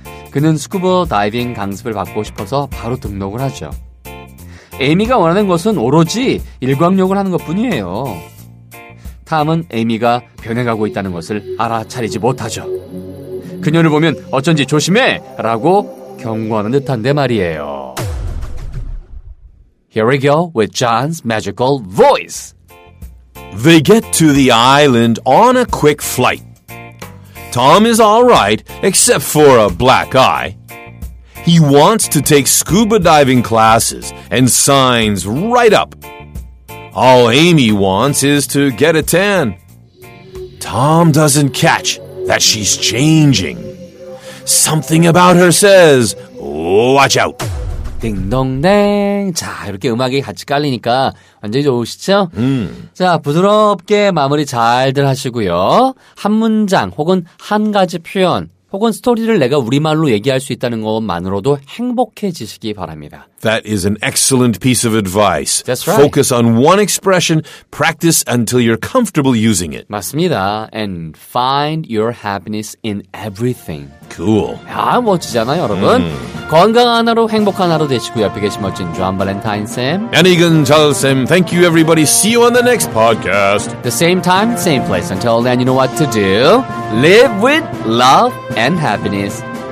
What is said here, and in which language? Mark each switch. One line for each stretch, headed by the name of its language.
Korean: 그는 스쿠버 다이빙 강습을 받고 싶어서 바로 등록을 하죠. 에이미가 원하는 것은 오로지 일광욕을 하는 것뿐이에요. 탐은 에이미가 변해가고 있다는 것을 알아차리지 못하죠. 그녀를 보면 어쩐지 조심해! 라고 경고하는 듯한데 말이에요.
English: Here we go with John's magical voice. They get to the island on a quick flight. Tom is all right except for a black eye. He wants to take scuba diving classes and signs right up. All Amy wants is to get a tan. Tom doesn't catch that she's changing. Something about her says, watch out.
Korean: 딩동댕. 자, 이렇게 음악이 같이 깔리니까 완전히 좋으시죠? 자, 부드럽게 마무리 잘들 하시고요. 한 문장 혹은 한 가지 표현. 혹은 스토리를 내가 우리말로 얘기할 수 있다는 것만으로도 행복해지시기 바랍니다.
English: That is an excellent piece of advice. That's right. Focus on one expression, practice until you're comfortable using it.
Korean: 맞습니다.
English: And find your happiness in everything. Cool.
Korean: 아, 멋지잖아요, 여러분. 건강한 하루, 행복한 하루 되시고 옆에 계신 멋진 존 발렌타인 쌤. 애니근 잘 쌤.
English: Thank you, everybody. See you on the next podcast. The same time, same place. Until then, you know what to do. Live with love and happiness.